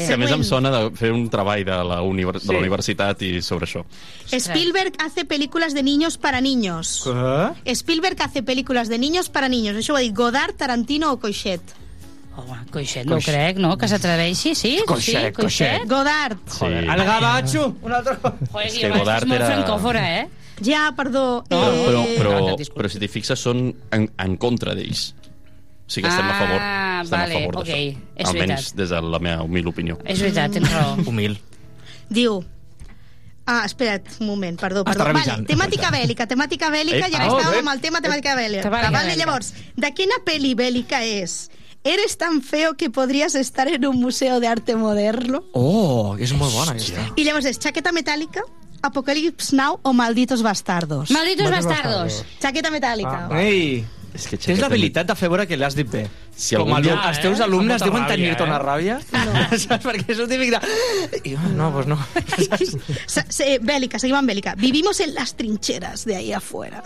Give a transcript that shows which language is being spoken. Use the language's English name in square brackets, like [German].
[Catalan] Que a més em sona de fer un treball de la, de la universitat i sobre això. [Spanish] Spielberg hace películas de niños para niños. ¿Qué? Spielberg hace películas de niños para niños. [Catalan] Això ho ha dit Godard, Tarantino o Coixet. Home, Coixet, no crec, no? Que s'atreveixi, sí? Coixet. Godard. Sí. El Gabacho, un altre. Joder, és que Godard era... És molt francòfora, eh? Ja, perdó. No, però si t'hi fixes, són en contra d'ells. O sigui, estem a favor. Ah, vale, a favor ok. És almenys veritat. Des de la meva humil opinió. És veritat, tens raó. Humil. Diu... Ah, espera't un moment, perdó. Vale, temàtica bèl·lica, ja estàvem amb el tema temàtica bèl·lica. Vale, llavors, de quina pel·li bèl·lica és? [Spanish] Eres tan feo que podrías estar en un museo de arte moderno. [Catalan] Oh, és molt bona. I llavors és chaqueta metàl·lica... Apocalypse Now o Malditos Bastardos. Malditos Bastardos. Chaqueta metàl·lica. Ei, és que tens l'habilitat de fer veure que l'has dit bé. Si algun dia els teus alumnes diuen tenir-te una ràbia, no. Saps? Perquè és un típic de... No, doncs no. Bèl·lica, seguim amb bèl·lica. [Spanish] Vivimos en las trincheras de ahí afuera.